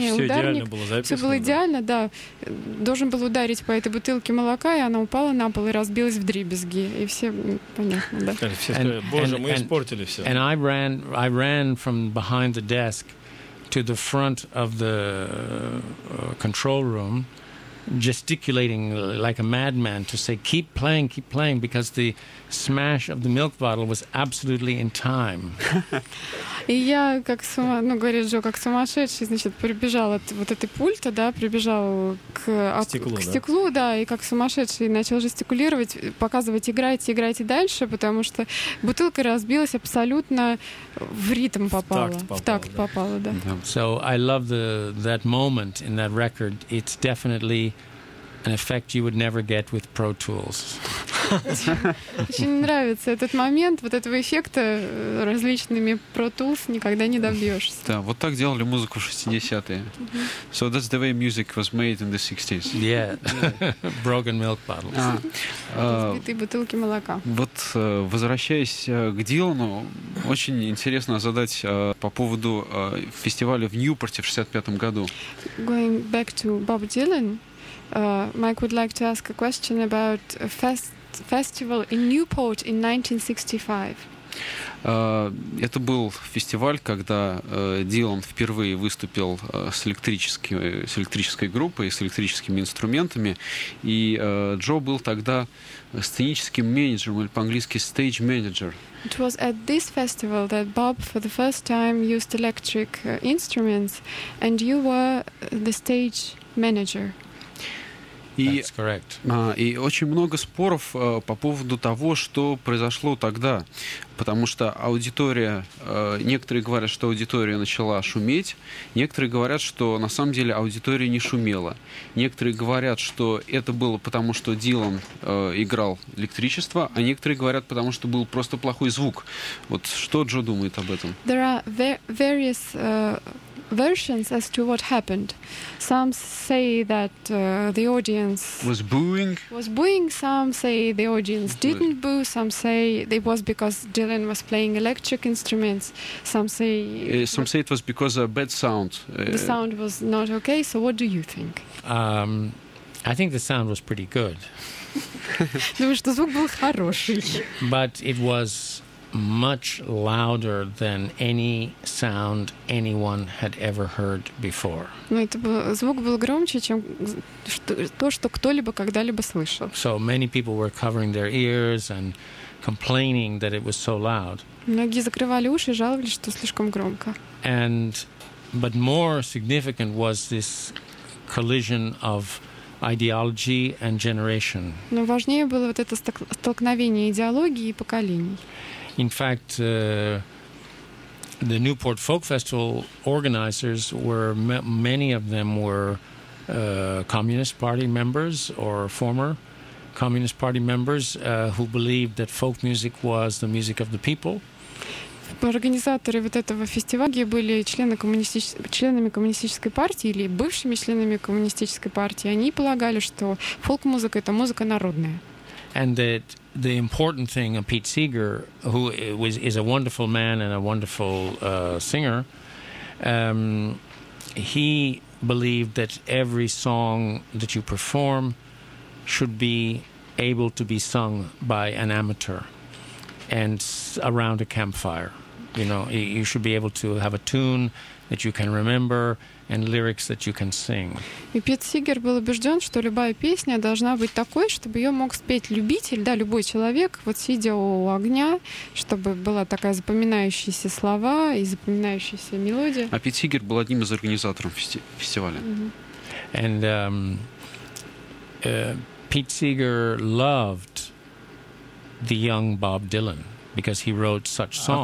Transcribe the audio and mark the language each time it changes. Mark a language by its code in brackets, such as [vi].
[ru] всё ударник, идеально было записано, всё было идеально, да, должен был ударить по этой бутылке молока, и она упала на пол и разбилась вдребезги, и все, понятно, да. Боже, мы испортили всё. [en] And I ran from behind the desk to the front of the control room, gesticulating like a madman to say, keep playing, because the smash of the milk bottle was absolutely in time. [ru] И я, как говорит Джо, как сумасшедший, значит, прибежал от вот этой пульта, да, прибежал к стеклу, да, и как сумасшедший начал жестикулировать, показывать, играйте дальше, потому что бутылка разбилась абсолютно в ритм попала, в такт попала, да. [en] So I love that moment in that record. It's definitely an effect you would never get with Pro Tools. [ru] Очень нравится этот момент, вот этого эффекта различными Pro Tools никогда не добьешься. Да, вот так делали музыку в 60-е. [en] So that's the way music was made in the 60s. Yeah. Broken milk bottles. [ru] Разбитые бутылки молока. Вот, возвращаясь к Дилану, очень интересно задать по поводу фестиваля в Ньюпорте в 65-м году. [en] Going back to Bob Dylan, Mike would like to ask a question about a festival in Newport in 1965. [ru] Это был фестиваль, когда Дилан впервые выступил с электрической группой, с электрическими инструментами, и Джо был тогда сценическим менеджером, или по-английски stage manager. [en] It was at this festival that Bob for the first time used electric instruments, and you were the stage manager. That's correct. [ru] И очень много споров по поводу того, что произошло тогда, потому что аудитория, некоторые говорят, что аудитория начала шуметь, некоторые говорят, что на самом деле аудитория не шумела, некоторые говорят, что это было потому, что Дилан играл электричество, а некоторые говорят, потому что был просто плохой звук. Вот что Джо думает об этом? [en] There are various versions as to what happened. Some say that the audience was booing. Some say the audience didn't boo. Some say it was because Dylan was playing electric instruments. Some say it was because of bad sound. The sound was not okay. So what do you think? I think the sound was pretty good. [ru] Думаю, что звук был хороший. [en] But it was much louder than any sound anyone had ever heard before. [ru] Ну, это был, звук был громче, чем то, что кто-либо когда-либо слышал. [en] So many people were covering their ears and complaining that it was so loud. [ru] Многие закрывали уши и жаловались, что слишком громко. [en] And but more significant was this collision of ideology and generation. [ru] Но важнее было вот это столкновение идеологии и поколений. [en] In fact, the Newport Folk Festival organizers were many of them were Communist Party members or former Communist Party members who believed that folk music was the music of the people. [ru] Организаторы вот этого фестиваля были членами коммунистической партии или бывшими членами коммунистической партии. Они полагали, что фолк-музыка это музыка народная. [en] And that the important thing of Pete Seeger, who is a wonderful man and a wonderful singer, he believed that every song that you perform should be able to be sung by an amateur and around a campfire. You know, you should be able to have a tune that you can remember and lyrics that you can sing. [ru] И Пит Сигер был убежден, что любая песня должна быть такой, чтобы ее мог спеть любитель, да, любой человек, вот сидя у огня, чтобы была такая запоминающиеся слова и запоминающаяся мелодия. А Пит Сигер был одним из организаторов фестиваля. Mm-hmm. [en] And Pete Seeger loved the young Bob Dylan because he wrote such songs.